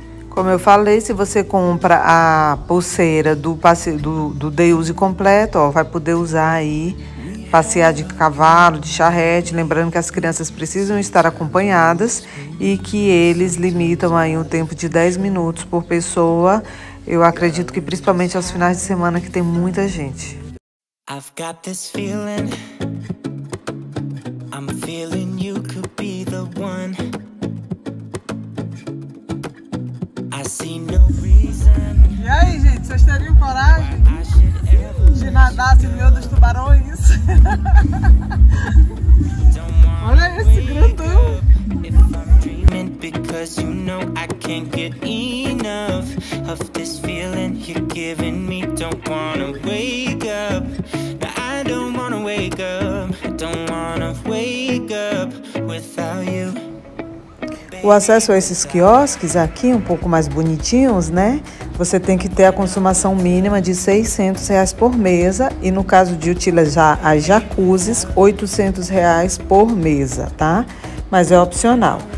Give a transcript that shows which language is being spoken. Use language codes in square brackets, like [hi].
[pt] Como Como eu falei, se você compra a pulseira do Deuse completo, ó, vai poder usar aí, passear de cavalo, de charrete, lembrando que as crianças precisam estar acompanhadas e que eles limitam aí um tempo de 10 minutos por pessoa. Eu acredito que principalmente aos finais de semana que tem muita gente. [en] I've got this feeling, I'm feeling you could be the one. I see no reason. [pt] E aí, gente, vocês teriam coragem de nadar sem medo dos tubarões? Olha esse grandão. [en] Because you know I can't get enough of this feeling you're giving me. Don't wanna wake up, no, I don't wanna wake up. Don't wanna wake up without you. [pt] O acesso a esses quiosques aqui, um pouco mais bonitinhos, né? Você tem que ter a consumação mínima de R$600 por mesa e, no caso de utilizar as jacuzzis, R$800 por mesa, tá? Mas é opcional.